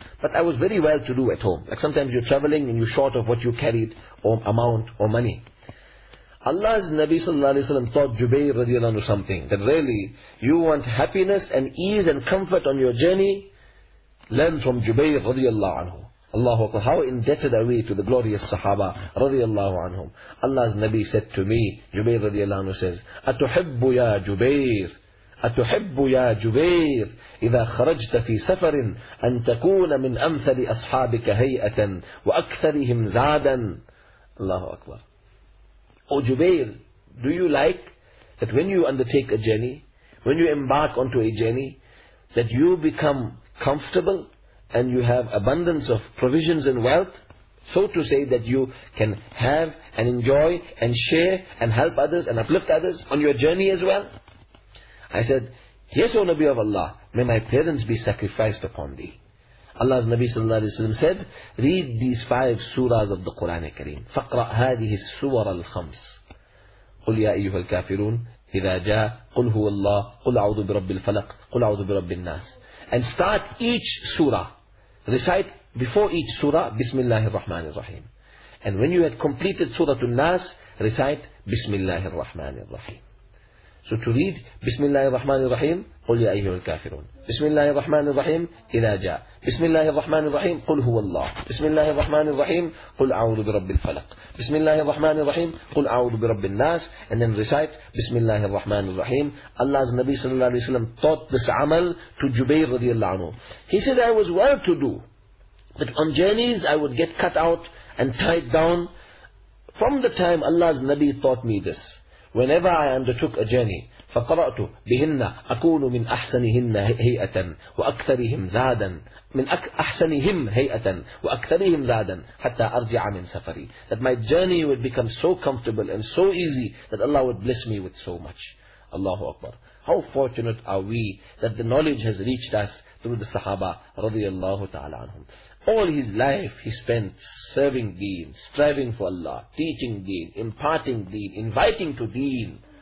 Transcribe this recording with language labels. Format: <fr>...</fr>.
<en>But I was very well to do at home. Like sometimes you're traveling and you're short of what you carried, or amount, or money. Allah's Nabi sallallahu alayhi wa sallam taught Jubayr radiallahu anhu something, that really, you want happiness and ease and comfort on your journey, learn from Jubayr radiallahu anhu. Allahu Akbar, how indebted are we to the glorious Sahaba radiallahu anhum. Allah's Nabi said to me, Jubayr radiallahu anhu says,</en> <ar>أَتُحِبُّ يَا جُبَيْرِ أَتُحِبُّ يَا جُبَيْرِ إِذَا خَرَجْتَ فِي سَفَرٍ أَن تَكُونَ مِنْ أَمْثَلِ أَصْحَابِكَ هَيْئَةً وَأَكْثَرِهِمْ زَادًا. Allahu Akbar.</ar> <en>O Jubayr, do you like that when you undertake a journey, when you embark onto a journey, that you become comfortable and you have abundance of provisions and wealth, so to say that you can have and enjoy and share and help others and uplift others on your journey as well? I said, yes, O Nabi of Allah, may my parents be sacrificed upon thee. Allah's Nabi sallallahu alayhi wa sallam said, read these five surahs of the Qur'an al-Kareem.</en> <ar>فَقْرَأْ هَذِهِ السُّورَ الْخَمْسِ قُلْ يَا أَيُّهَا الْكَافِرُونَ إِذَا جَاءَ قُلْ هُوَ اللَّهُ قُلْ أَعُوذُ بِرَبِّ الْفَلَقِ قُلْ أَعُوذُ بِرَبِّ النَّاسِ.</ar> <en>And start each surah. Recite before each surah, Bismillahir Rahmanir Rahim. And when you had completed Surah An-Nas, recite Bismillahir Rahmanir Rahim. So to read</en> <ar>Bismillahir Rahmanir Rahim, قُلْ يَا أَيُّهَا الْكَافِرُونَ. Bismillahir Rahmanir Rahim, إِذَا جَاءَ. Bismillahir Rahmanir Rahim, قُلْ هُوَ اللَّهُ. Bismillahir Rahmanir Rahim, قُلْ أَعُوذُ بِرَبِّ الْفَلَقِ. Bismillahir Rahmanir Rahim, قُلْ أَعُوذُ بِرَبِّ النَّاسِ.</ar> <en>And then recite Bismillahir Rahmanir Rahim. Allah's Nabi sallallahu alayhi wa sallam taught this amal to Jubayr radiallahu anhu. He said, I was well to do, but on journeys I would get cut out and tied down. From the time Allah's Nabi taught me this, whenever I undertook a journey,</en> <ar>فَقَرَأْتُ بِهِنَّ أَكُونُ مِنْ أَحْسَنِهِنَّ هَيْئَةً وَأَكْثَرِهِمْ زَادًا مِنْ أَحْسَنِهِمْ هَيْئَةً وَأَكْثَرِهِمْ زَادًا حَتَّى أَرْجِعَ مِنْ سَفَرِي.</ar> <en>That my journey would become so comfortable and so easy that Allah would bless me with so much. Allahu Akbar. How fortunate are we that the knowledge has reached us through the Sahaba radiallahu ta'ala anhum. All his life he spent serving deen, striving for Allah, teaching deen, imparting deen, inviting to deen.</en>